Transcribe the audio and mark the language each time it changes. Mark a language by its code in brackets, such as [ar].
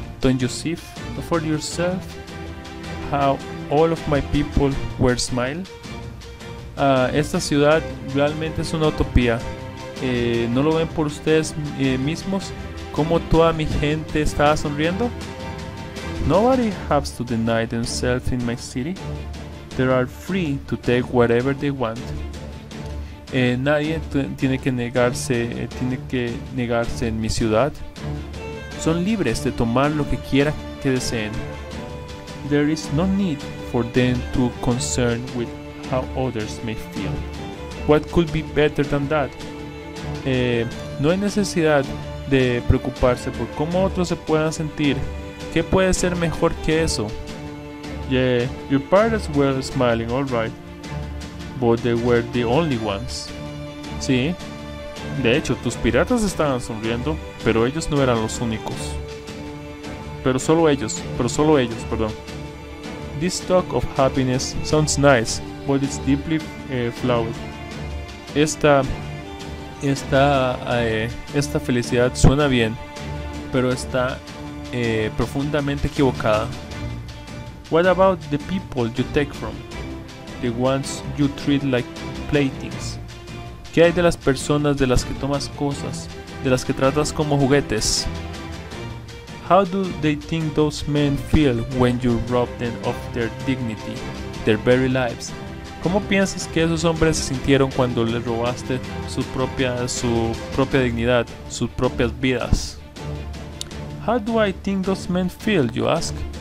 [en] Don't you see for yourself how all of my people were smile? [es] Esta ciudad realmente es una utopía. ¿No lo ven por ustedes mismos cómo toda mi gente estaba sonriendo? [en] Nobody has to deny themselves in my city. They are free to take whatever they want. [es] Nadie tiene que negarse en mi ciudad. Son libres de tomar lo que quiera que deseen. [en] There is no need for them to concern with how others may feel. What could be better than that? [es] No hay necesidad de preocuparse por cómo otros se puedan sentir. ¿Qué puede ser mejor que eso? [en] Yeah, your parents were smiling, all right. But they were the only ones. [es] Sí, de hecho, tus piratas estaban sonriendo, pero ellos no eran los únicos. Pero solo ellos, perdón. [en] this talk of happiness sounds nice, but it's deeply flawed. [es] Esta felicidad suena bien, pero está profundamente equivocada. [en] What about the people you take from? The ones you treat like playthings. [es] ¿Qué hay de las personas de las que tomas cosas, de las que tratas como juguetes? [en] How do they think those men feel when you rob them of their dignity, their very lives? [es] ¿Cómo piensas que esos hombres se sintieron cuando les robaste su propia dignidad, sus propias vidas? [en] How do I think those men feel, you ask?